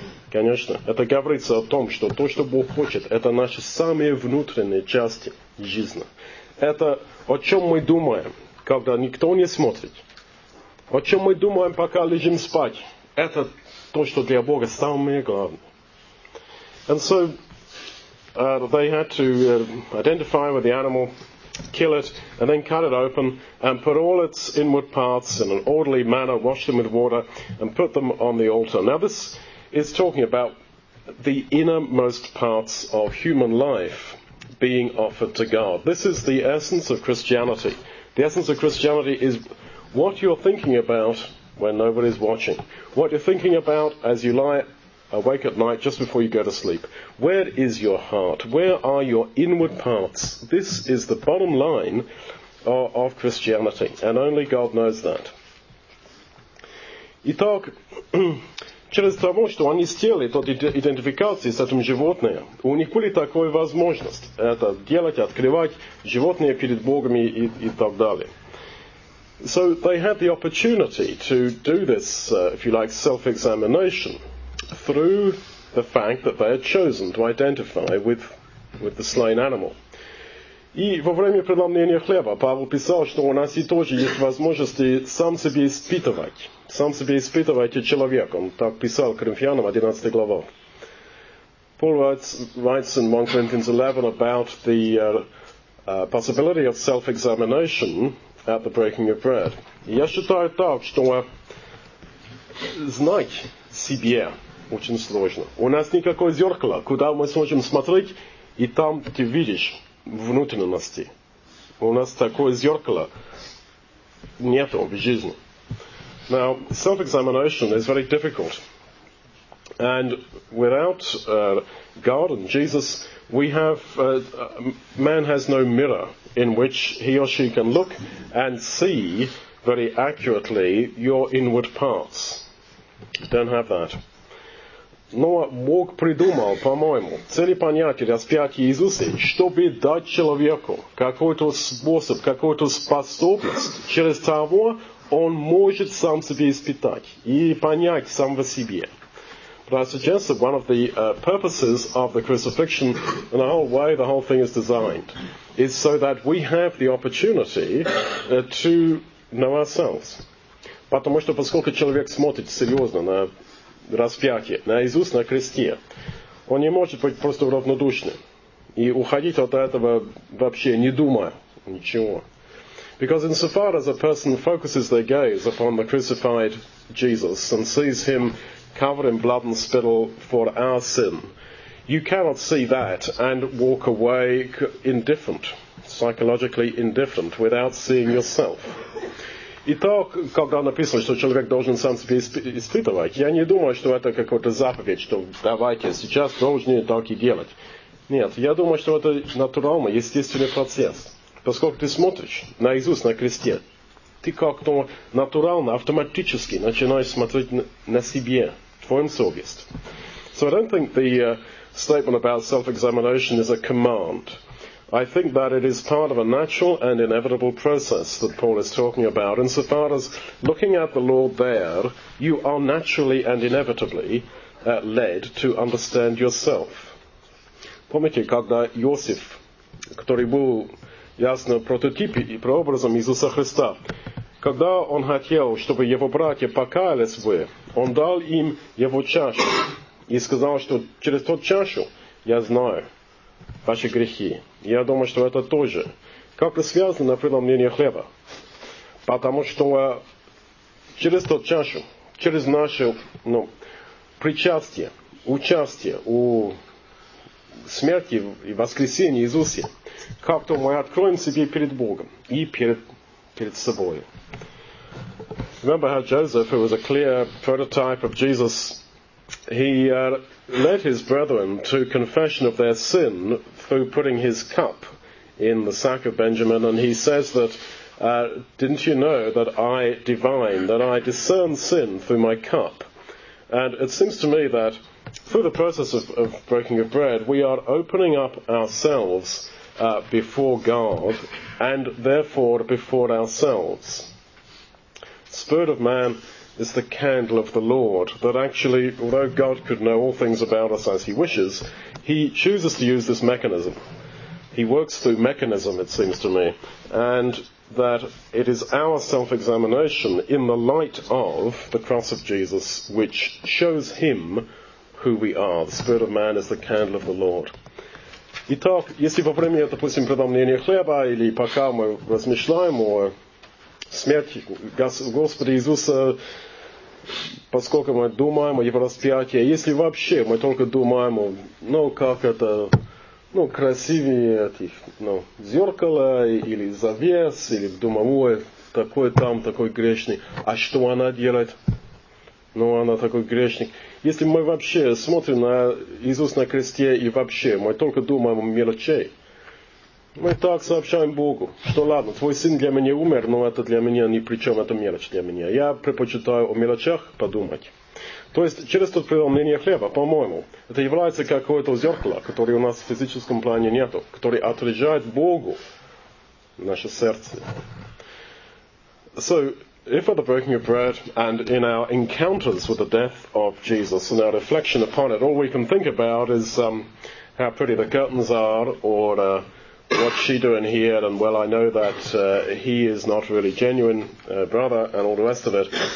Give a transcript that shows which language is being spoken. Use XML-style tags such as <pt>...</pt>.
<ru>Конечно, это говорится о том, что то, что Бог хочет, это наши самые внутренние части жизни. Это о чем мы думаем, когда никто не смотрит. О чем мы думаем, пока лежим спать. Это то, что для Бога самое главное.</ru> <en>And so, they had to identify with the animal, kill it, and then cut it open, and put all its inward parts in an orderly manner, wash them with water, and put them on the altar. Now this is talking about the innermost parts of human life being offered to God. This is the essence of Christianity. The essence of Christianity is what you're thinking about when nobody's watching. What you're thinking about as you lie awake at night just before you go to sleep. Where is your heart? Where are your inward parts? This is the bottom line of Christianity, and only God knows that.</en> <ru>Итак, через того, что они сделали тот идентификации с этим животным, у них были такая возможность это делать, открывать животные перед Богом и так далее.</ru> <en>So they had the opportunity to do this, if you like, self-examination through the fact that they had chosen to identify with the slain animal.</en> <ru>И во время преломления хлеба Павел писал, что у нас и тоже есть возможность сам себе испытывать. Сам себе испытывайте человек. Он так писал Коринфянам, 11 глава.</ru> <en>Paul writes in 1 Corinthians 11 about the possibility of self-examination at the breaking of bread.</en> <ru>Я считаю так, что знать себе очень сложно. У нас никакое зеркало, куда мы сможем смотреть, и там ты видишь внутренности. У нас такое зеркало нет в жизни.</ru> <en>Now, self-examination is very difficult. And without God and Jesus, we have man has no mirror in which he or she can look and see very accurately your inward parts. Don't have that.</en> <ru>Но Бог придумал, по-моему, цели понятия распятия Иисуса, чтобы дать человеку какой-то способ, какую-то способность, через того он может сам себя испытать и понять сам в себе.</ru> <en>But I suggest that one of the purposes of the crucifixion, and the whole way the whole thing is designed, is so that we have the opportunity to know ourselves.</en> <ru>Потому что поскольку человек смотрит серьезно на распятие, на Иисус на кресте, он не может быть просто равнодушным и уходить от этого вообще не думая ничего.</ru> <en>Because insofar as a person focuses their gaze upon the crucified Jesus and sees him covered in blood and spittle for our sin, you cannot see that and walk away indifferent, psychologically indifferent, without seeing yourself.</en> <ru>Итак, когда написано, что человек должен сам себя испытывать, я не думаю, что это какой-то заповедь, что давайте, сейчас должны так и делать. Нет, я думаю, что это натуральный, естественный процесс. Поскольку ты смотришь на Иисуса на кресте, ты как-то натурально, автоматически начинаешь смотреть на себе, твою совесть.</ru> <en>So I don't think the statement about self-examination is a command. I think that it is part of a natural and inevitable process that Paul is talking about, insofar as looking at the Lord there, you are naturally and inevitably led to understand yourself.</en> <ru>Помните, когда Иосиф, который был ясно прототипом и прообразом Иисуса Христа, когда он хотел, чтобы его братья покаялись бы, он дал им его чашу и сказал, что через тот чашу я знаю ваши грехи. Я думаю, что это тоже как-то связано на преломлении хлеба. Потому что через тот чашу, через наше причастие, участие у смерти и воскресения Иисуса, как-то мы откроем себе перед Богом и перед собой.</ru> <en>Remember how Joseph, who was a clear prototype of Jesus, he led his brethren to confession of their sin through putting his cup in the sack of Benjamin, and he says that, didn't you know that I divine, that I discern sin through my cup? And it seems to me that through the process of breaking of bread, we are opening up ourselves before God, and therefore before ourselves. Spirit of man is the candle of the Lord, that actually, although God could know all things about us as he wishes, he chooses to use this mechanism. He works through mechanism, it seems to me, and that it is our self-examination in the light of the cross of Jesus which shows him who we are. The Spirit of man is the candle of the Lord.</en> <ru>Итак, если во время, допустим, преломления хлеба, или пока мы размышляем о смерти Господа Иисуса, поскольку мы думаем о его распятии, если вообще мы только думаем, как это, красивее этих, зеркала, или завес, или думовое, такой там, такой грешный, а что она делает? Она такой грешник. Если мы вообще смотрим на Иисуса на кресте, и вообще мы только думаем о мелочей, мы так сообщаем Богу, что ладно, твой сын для меня умер, но это для меня ни при чем, это мелочь для меня. Я предпочитаю о мелочах подумать. То есть через тот преломление хлеба, по-моему, это является какое-то зеркало, которое у нас в физическом плане нету, которое отражает Богу наше сердце.</ru> <en>So, if at the breaking of bread and in our encounters with the death of Jesus and our reflection upon it, all we can think about is how pretty the curtains are, or what's she doing here, and well, I know that he is not really genuine brother, and all the rest of it.</en>